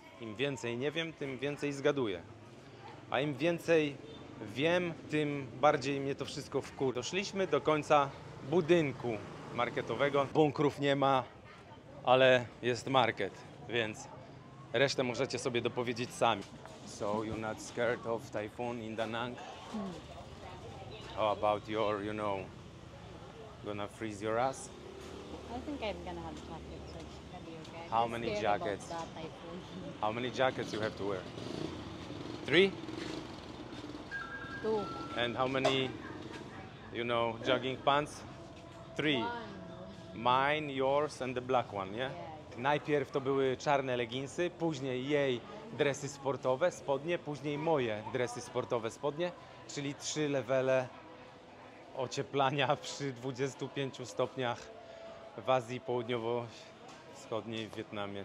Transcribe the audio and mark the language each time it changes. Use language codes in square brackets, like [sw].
[pl] Im więcej nie wiem, tym więcej zgaduję. A im więcej wiem, tym bardziej mnie to wszystko wkurza. Doszliśmy do końca budynku marketowego. Bunkrów nie ma, ale jest market, więc resztę możecie sobie dopowiedzieć sami. [en] So you're not scared of typhoon in Da Nang? How about your, you know, gonna freeze your ass? I think I'm gonna have jackets, so it should be okay. How many jackets? How many jackets you have to wear? 3? 2. And how many, you know, jogging pants? 3. One. Mine, yours and the black one, yeah? [pl] Najpierw to były czarne leginsy, później jej dresy sportowe, spodnie, później moje dresy sportowe, spodnie, czyli 3 levele ocieplania przy 25 stopniach w Azji Południowo-Wschodniej w Wietnamie.